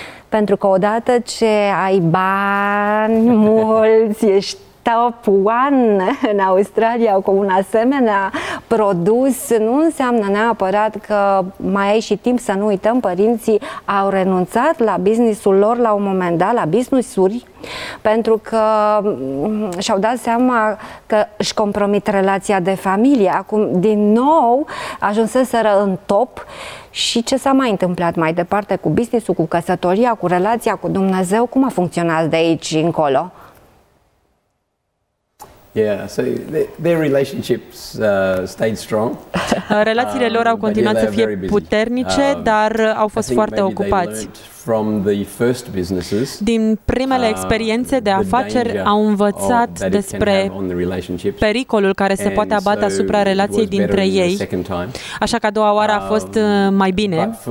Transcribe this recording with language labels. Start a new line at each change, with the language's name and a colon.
Romanian: Pentru că odată ce ai bani mulți, ești
English: top one
Romanian: în Australia cu un asemenea produs, nu înseamnă neapărat că mai ai și timp. Să nu uităm, părinții au renunțat la business-ul lor la un moment dat, la business-uri, pentru că și-au dat seama că își compromit relația de familie. Acum, din nou, ajunseseră în top și ce s-a mai întâmplat mai departe cu business-ul, cu căsătoria, cu relația cu Dumnezeu? Cum a funcționat de aici încolo?
English: Yeah, so their relationships stayed strong.
Romanian: Relațiile lor au continuat să fie puternice, dar au fost foarte ocupați.
English: From the first businesses,
Romanian: din primele experiențe de afaceri au învățat despre pericolul care se poate abate asupra relației dintre ei. Așa că a doua oară a fost mai bine.